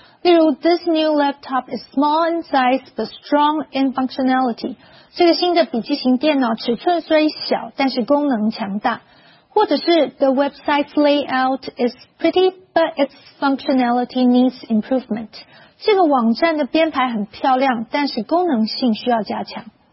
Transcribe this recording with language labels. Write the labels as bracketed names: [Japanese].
[Chinese] 例如 [English] ,this new laptop is small in size but strong in functionality. [Chinese] 这个新的笔记型电脑尺寸虽小但是功能强大。或者是 [English] ,the website's layout is pretty but its functionality needs improvement. [Chinese] 这个网站的编排很漂亮但是功能性需要加强。